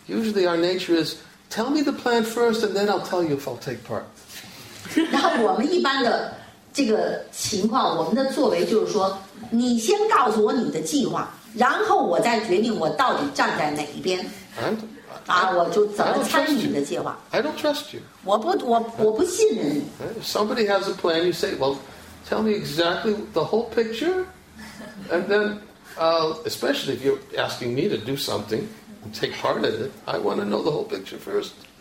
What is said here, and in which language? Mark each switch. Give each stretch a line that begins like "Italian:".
English: Usually our nature is, tell me the plan first and then I'll tell you if I'll take part.
Chinese: 然后我们一般的这个情况，我们的作为就是说，你先告诉我你的计划，然后我再决定我到底站在哪一边。
English: I don't trust you. If somebody has a plan, you say, well, tell me exactly the whole picture, and then, especially if you're asking me to do something and take part in it, I want to know the whole picture first.